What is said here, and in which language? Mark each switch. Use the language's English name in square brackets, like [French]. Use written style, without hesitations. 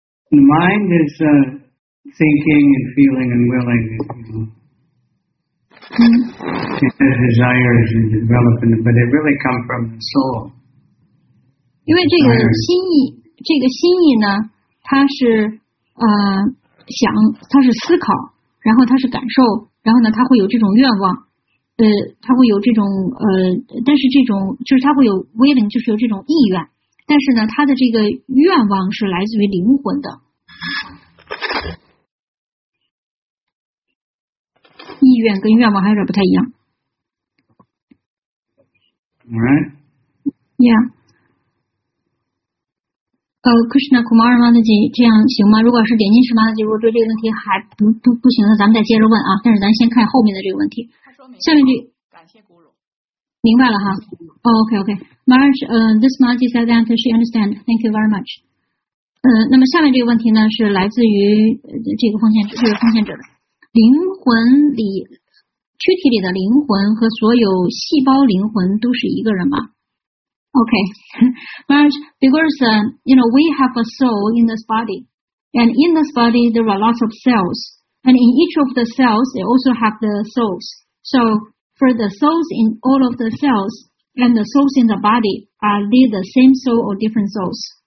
[English] The mind is thinking and feeling and willing. Mm-hmm. His desires and development, but they really come from the soul. Because this [Chinese] 心意呢，它是想，它是思考，然后它是感受，然后呢，它会有这种愿望，它会有这种但是这种就是它会有 willing， 就是有这种意愿，但是呢，它的这个愿望是来自于灵魂的，意愿跟愿望还有点不太一样。 [English] Alright. Yeah. [Chinese] Krishna Kumar Mataji， 这样行吗？如果是点金石Mataji，如果对这个问题还不行的，咱们再接着问啊。但是咱先看后面的这个问题。下面这，感谢古鲁。明白了哈。 [English] OK。 Maharaj， this Mataji said that she understand. Thank you very much. [Chinese] 那么下面这个问题呢，是来自于这个奉献者的灵魂里，躯体里的灵魂和所有细胞灵魂都是一个人吗？ [English] Okay, Maharaj, because, you know, we have a soul in this body, and in this body, there are lots of cells, and in each of the cells, they also have the souls. So for the souls in all of the cells, and the souls in the body, are they the same soul or different souls?